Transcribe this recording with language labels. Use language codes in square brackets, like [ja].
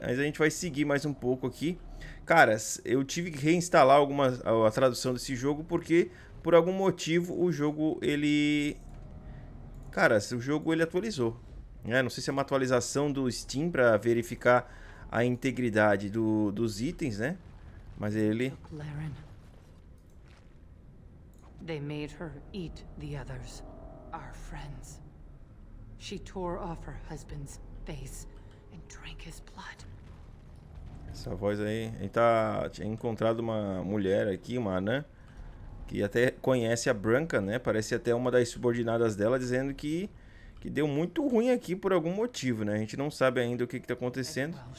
[pt] Mas a gente vai seguir mais um pouco aqui. Caras, eu tive que reinstalar a tradução desse jogo porque, por algum motivo, o jogo ele. Caras, o jogo ele atualizou. Né? Não sei se é uma atualização do Steam pra verificar a integridade dos itens, né? Mas ele. [en] They made her eat the others, our friends. She tore off her husband's face and drank his blood. [pt] Essa voz aí, ele tinha encontrado uma mulher aqui, uma anã, que até conhece a Branca, né? Parece até uma das subordinadas dela, dizendo que deu muito ruim aqui por algum motivo, né? A gente não sabe ainda o que tá acontecendo.